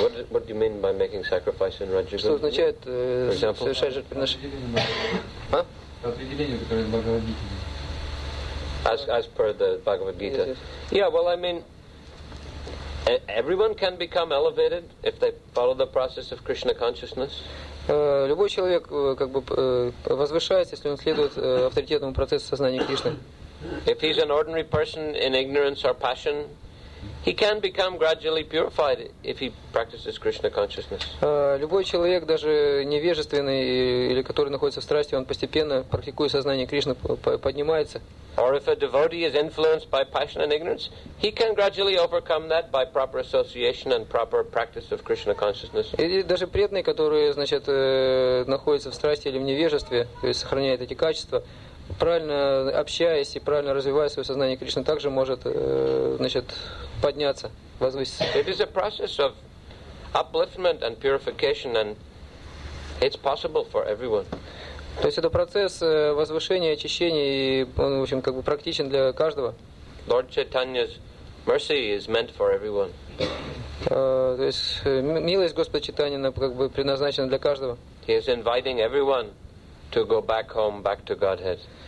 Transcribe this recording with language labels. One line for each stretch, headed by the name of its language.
English: What do you mean by making sacrifice in Raja Guna?
Russian: Что означает совершать жертвоприношение? Определение, которое благородительное.
English: As per the Bhagavad Gita. Yes. Yeah, well, I mean, everyone can become elevated if they follow the process of Krishna consciousness.
Russian: Любой человек как бы возвышается, если он следует авторитетному процессу сознания Кришны.
English: If he's an ordinary person in ignorance or passion, he can become gradually purified if he practices Krishna consciousness.
Russian: Любой человек, даже невежественный или который находится в страсти, он постепенно, практикуя сознание Кришны, поднимается.
English: Or if a devotee is influenced by passion and ignorance, he can gradually overcome that by proper association and proper practice of Krishna consciousness.
Russian: И даже преданный, который, значит, находится в страсти или в невежестве, то есть сохраняет эти качества, правильно общаясь и правильно развивая свое сознание Кришны, также может, значит, подняться, возвыситься.
English: It is a process of upliftment and purification, and it's possible for everyone.
Russian: То есть это процесс возвышения, очищения, и он, в общем, как бы практичен для каждого.
English: Lord Chaitanya's mercy is meant for everyone.
Russian: То есть милость Господа Чайтаньи, как бы, предназначена для каждого.
English: He is inviting everyone to go back home, back to Godhead.